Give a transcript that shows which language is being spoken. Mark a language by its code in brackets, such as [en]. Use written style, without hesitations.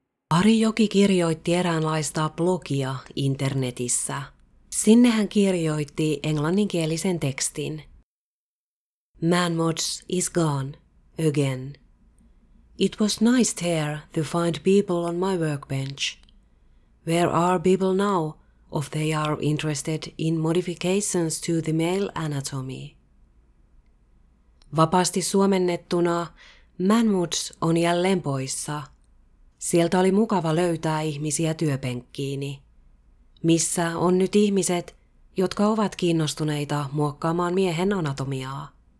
[fi] Ari Joki kirjoitti eräänlaista blogia internetissä. Sinne hän kirjoitti englanninkielisen tekstin. [en] "Man mods is gone again. It was nice there to find people on my workbench. Where are people now if they are interested in modifications to the male anatomy?" [fi] Vapaasti suomennettuna man mods on jälleen poissa. Sieltä oli mukava löytää ihmisiä työpenkkiini. Missä on nyt ihmiset, jotka ovat kiinnostuneita muokkaamaan miehen anatomiaa?